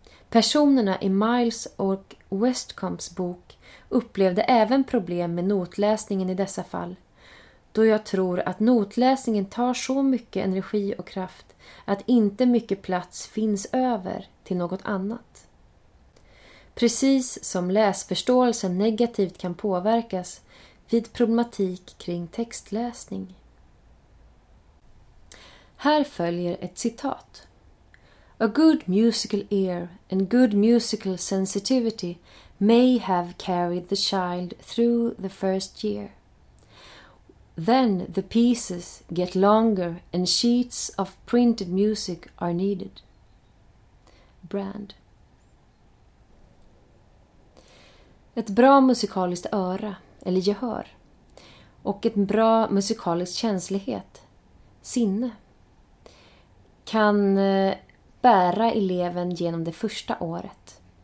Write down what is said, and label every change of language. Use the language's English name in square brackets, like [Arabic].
[Swedish] Personerna i Miles och Westcombs bok upplevde även problem med notläsningen i dessa fall, då jag tror att notläsningen tar så mycket energi och kraft att inte mycket plats finns över till något annat. Precis som läsförståelsen negativt kan påverkas vid problematik kring textläsning. Här följer ett citat. [English] A good musical ear and good musical sensitivity may have carried the child through the first year. Then the pieces get longer and sheets of printed music are needed. Brand. [Swedish] Ett bra musikaliskt öra, eller gehör, och ett bra musikaliskt känslighet, sinne, kan bära eleven genom det första året.